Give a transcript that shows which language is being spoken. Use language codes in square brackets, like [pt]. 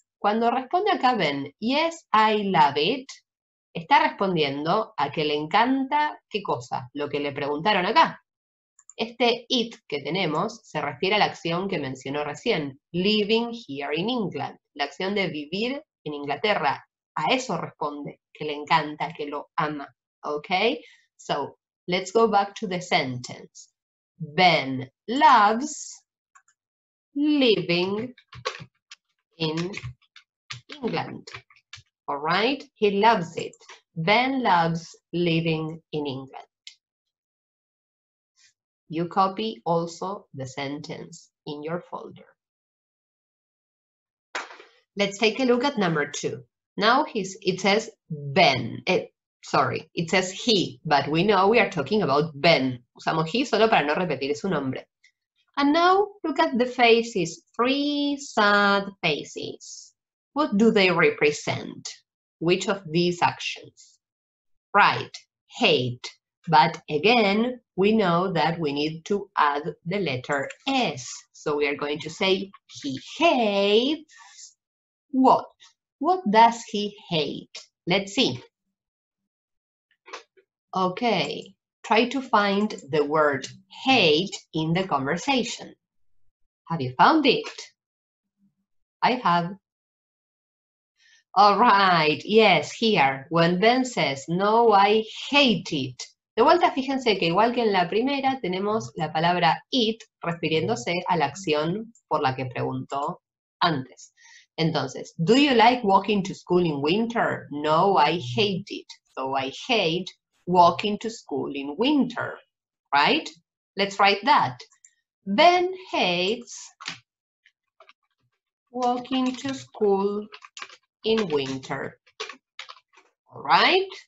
[es] Cuando responde acá Ben, [en] yes, I love it, [es] está respondiendo a que le encanta, ¿qué cosa? Lo que le preguntaron acá. Este it que tenemos se refiere a la acción que mencionó recién, [en] living here in England, [es] la acción de vivir en Inglaterra, a eso responde, que le encanta, que lo ama. [en] Okay, so let's go back to the sentence. Ben loves living in England. All right, he loves it. Ben loves living in England. You copy also the sentence in your folder. Let's take a look at number two. Now it says Ben. Sorry, it says he, but we know we are talking about Ben. [es] Usamos he solo para no repetir su nombre. [en] And now look at the faces, three sad faces. What do they represent? Which of these actions? Right, hate. But again, we know that we need to add the letter S. So we are going to say he hates what? What does he hate? Let's see. Okay, try to find the word hate in the conversation. Have you found it? I have. All right, yes, here. When Ben says, no, I hate it. [es] De vuelta, fíjense que igual que en la primera, tenemos la palabra it refiriéndose a la acción por la que preguntó antes. Entonces, [en] do you like walking to school in winter? No, I hate it. So I hate walking to school in winter, right? Let's write that. Ben hates walking to school in winter. All right?